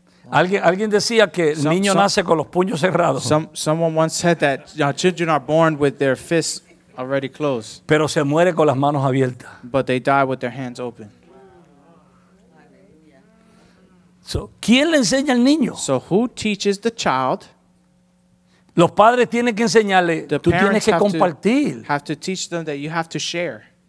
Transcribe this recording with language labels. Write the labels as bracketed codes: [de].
[es] Alguien decía que el niño nace con los puños cerrados. [en] Someone once said that children are born with their fists already closed. [es] Pero se muere con las manos abiertas. [en] But they die with their hands open. [es] So, ¿quién le enseña al niño? [en] So who teaches the child? [es] Los padres tienen que enseñarle, tú tienes que compartir. [en] Have to teach them that you have to share.